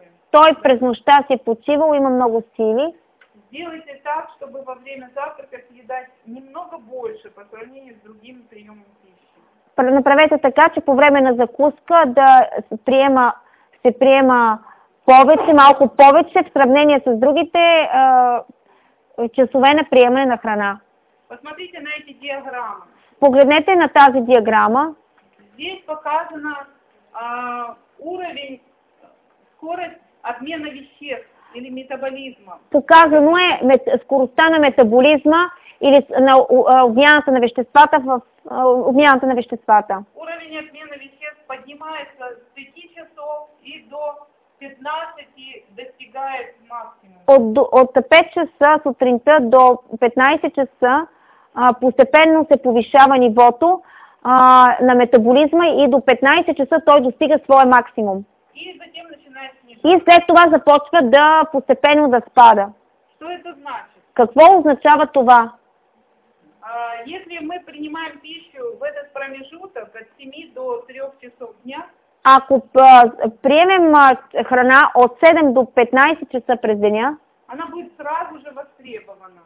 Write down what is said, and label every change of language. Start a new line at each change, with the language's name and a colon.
Bulgarian: той през нощта си е почивал, има много сили.
Russian: Сделайте так, чтобы во время завтрака съедать немного больше по сравнению с другим приемом пищи.
Bulgarian: Направете така, че по време на закуска да се приема повече, малко повече в сравнение с другите часове на приемане на храна.
Russian: Посмотрите на эти диаграммы.
Bulgarian: Погледнете на тази диаграма.
Russian: Здесь показано уровень скорость обмена веществ или метаболизма.
Bulgarian: Показано е скоростта на метаболизма или на обмяната на веществата
Russian: Уровень обмена веществ поднимается с 5 часов и до 15 достигает максимум.
Bulgarian: От 5 часа сутринта до 15 часа постепенно се повишава нивото на метаболизма и до 15 часа той достига своя максимум. И след това започва да постепенно да спада.
Russian: Что это значит?
Bulgarian: Какво означава това?
Russian: Если мы принимаем пищу в этот промежуток от 7 до 3 часов дня,
Bulgarian: ако приемем храна от 7 до 15 часа през деня,
Russian: она будет сразу же востребована.